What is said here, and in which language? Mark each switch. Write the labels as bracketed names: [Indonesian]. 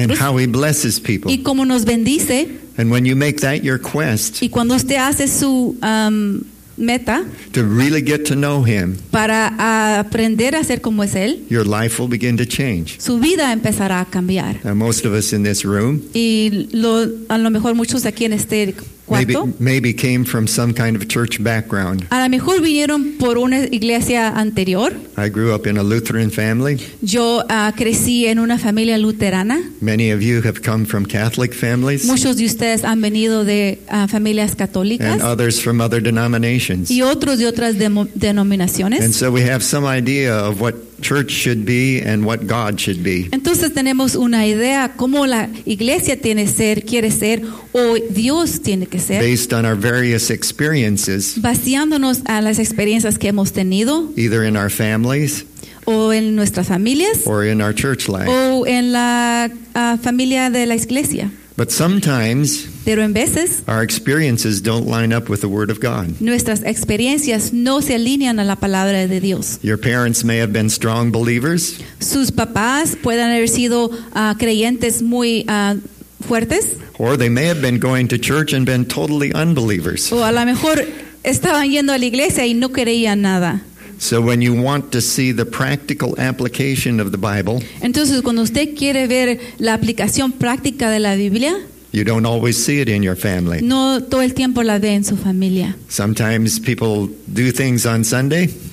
[English] and how He blesses people, [Spanish] y cómo nos bendice, [English] and when you make that your quest, [Spanish] y cuando usted hace su meta, [English] to really get to know Him, [Spanish] para aprender a ser como es Él, [English] your life will begin to change. [Spanish] Su vida empezará a cambiar. [English] And most of us in this room, [Spanish] y a lo mejor muchos aquí en este cuarto, [English] maybe came from some kind of church background. [Spanish] A lo mejor vinieron por una iglesia anterior. [English] I grew up in a Lutheran family. [Spanish] Yo crecí en una familia luterana. [English] Many of you have come from Catholic families. [Spanish] Muchos de ustedes han venido de familias católicas. [English] And others from other denominations. [Spanish] Y otros de otras denominaciones. [English] And so we have some idea of what church should be and what God should be. [Spanish] Entonces tenemos una idea cómo la iglesia tiene ser, quiere ser o Dios tiene que ser. [English] Based on our various experiences. [Spanish] Basándonos a las experiencias que hemos tenido. [English] Either in our families. [Spanish] O en nuestras familias. [English] Or in our church life. [Spanish] O en la familia de la iglesia. [English] But sometimes. [Spanish] Pero en veces. [English] Our experiences don't line up with the Word of God. [Spanish] Nuestras experiencias no se alinean a la palabra de Dios. [English] Your parents may have been strong believers. [Spanish] Sus papás pueden haber sido creyentes muy fuertes. [English] Or they may have been going to church and been totally unbelievers. [Spanish] O a lo mejor estaban yendo a la iglesia y no creían nada. [English] So when you want to see the practical application of the Bible, [Spanish] entonces cuando usted quiere ver la aplicación práctica de la Biblia, [English] you don't always see it in your family. [Spanish] No todo el tiempo la ve en su familia. [English] Sometimes people do things on Sunday.